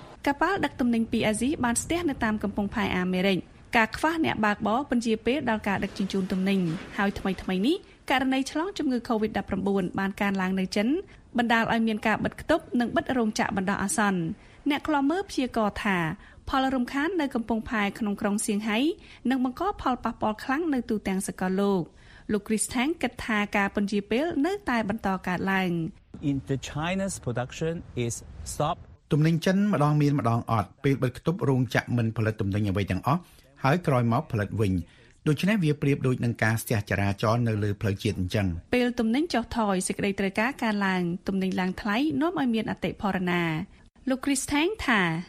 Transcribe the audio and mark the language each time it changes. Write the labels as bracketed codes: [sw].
[km] កប៉ាល់ដឹកទំនិញពីអាស៊ីបានស្ទះនៅតាមកំពង់ផែអាមេរិកការខ្វះអ្នកបើកបរពន្យាពេលដល់ការដឹកជញ្ជូនទំនិញហើយថ្មីៗនេះករណីឆ្លងជំងឺ COVID-19 បានកើនឡើងនៅចិនបណ្ដាលឲ្យមានការបិទគប់និងបិទរោងចក្របណ្ដោះអាសន្នអ្នកខ្លាំមើលព្យាករថាផលរំខាននៅកំពង់ផែក្នុងក្រុងសៀងហៃនឹងបង្កផលប៉ះពាល់ខ្លាំងនៅទូទាំងសកលលោកលោក Chris Tang គិតថាការពន្យាពេលនៅតែបន្តកើតឡើង [en] In the China's production is stop [km] ទំនិញចិនម្ដងមានម្ដងអត់ពេលបិទគប់រោងចក្រមិនផលិតទំនិញអ្វីទាំងអស់ហើយក្រោយមកផលិតវិញដូច្នេះវាប្រៀបដូចនឹងការស្ទះចរាចរណ៍នៅលើផ្លូវជាតិអញ្ចឹង ពេលទំនិញចុះថយសេចក្តីត្រូវការកើនឡើងទំនិញឡើងថ្លៃនាំឲ្យមានអតិផរណាលោក Chris Tang ថា